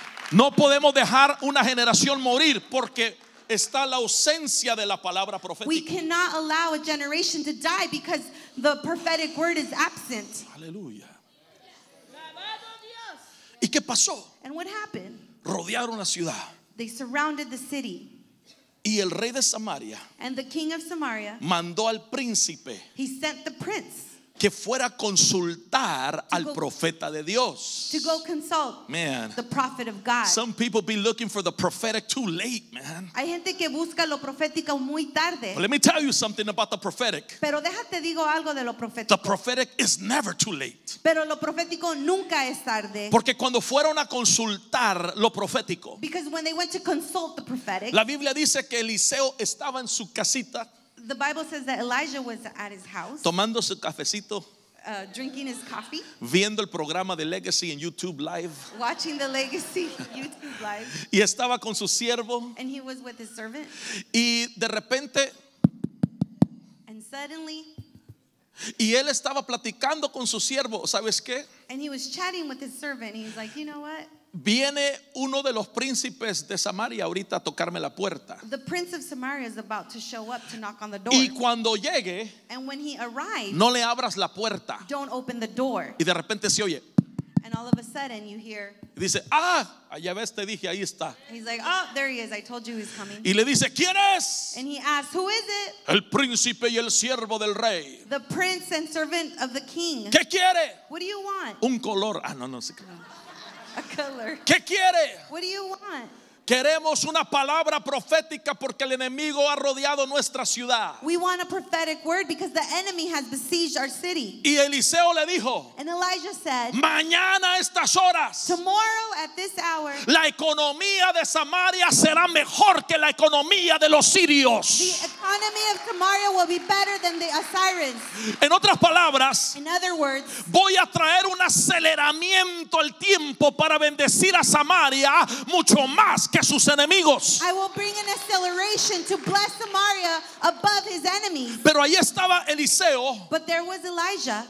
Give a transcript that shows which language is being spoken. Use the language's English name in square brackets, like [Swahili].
[Spanish] No podemos dejar una generación morir porque está la ausencia de la palabra profética. [English] We cannot allow a generation to die because the prophetic word is absent. [Spanish] Aleluya. ¿Y qué pasó? [English] And what happened? [Spanish] Rodearon la ciudad. [English] They surrounded the city. [Spanish] Y el rey de Samaria, [English] and the king of Samaria, [Spanish] mandó al príncipe, [English] he sent the prince, [Spanish] que fuera a consultar al profeta de Dios. [English] To go consult, man, the prophet of God. Some people be looking for the prophetic too late, man. [Spanish] Hay gente que busca lo profético muy tarde. [English] But let me tell you something about the prophetic. [Spanish] Pero déjate digo algo de lo profético. [English] The prophetic is never too late. [Spanish] Pero lo profético nunca es tarde. Porque cuando fueron a consultar lo profético, [English] because when they went to consult the prophetic, [Spanish] la Biblia dice que Eliseo estaba en su casita. [English] The Bible says that Elijah was at his house, [Spanish] tomando su cafecito, [English] drinking his coffee, [Spanish] viendo el programa de Legacy en YouTube Live, [English] watching the Legacy YouTube Live, [Spanish] y estaba con su siervo, [English] and he was with his servant, [Spanish] y de repente, [English] and suddenly, [Spanish] y él estaba platicando con su siervo, ¿sabes qué? [English] And he was chatting with his servant, and he's like, you know what? [Spanish] Viene uno de los príncipes de Samaria ahorita a tocarme la puerta. [English] The prince of Samaria is about to show up to knock on the door. [Spanish] Y cuando llegue, [English] and when he arrives, [Spanish] no le abras la puerta. [English] Don't open the door. [Spanish] Y de repente se oye. [English] And all of a sudden you hear. [Spanish] Y dice, ah, ya ves, te dije, ahí está. [English] He's like, oh, there he is. I told you he's coming. [Spanish] Y le dice, ¿quién es? [English] And he asks, who is it? [Spanish] El príncipe y el siervo del rey. [English] The prince and servant of the king. [Spanish] ¿Qué quiere? [English] What do you want? [Spanish] Un color. Ah, no, no sé qué. [English] Color. [Spanish] ¿Qué quiere? [English] What do you want? [Spanish] Queremos una palabra profética porque el enemigo ha rodeado nuestra ciudad. [English] We want a prophetic word because the enemy has besieged our city. [Spanish] Y Eliseo le dijo, [English] and Elijah said, [Spanish] mañana a estas horas, [English] tomorrow at this hour, [Spanish] la economía de Samaria será mejor que la economía de los sirios. [English] The economy of Samaria will be better than the Assyrians. [Spanish] En otras palabras, [English] in other words, [Spanish] voy a traer un aceleramiento al tiempo para bendecir a Samaria mucho más que sus enemigos. [English] I will bring an acceleration to bless Samaria above his enemies. [Spanish] Pero ahí estaba Eliseo. [English] But there was Elijah.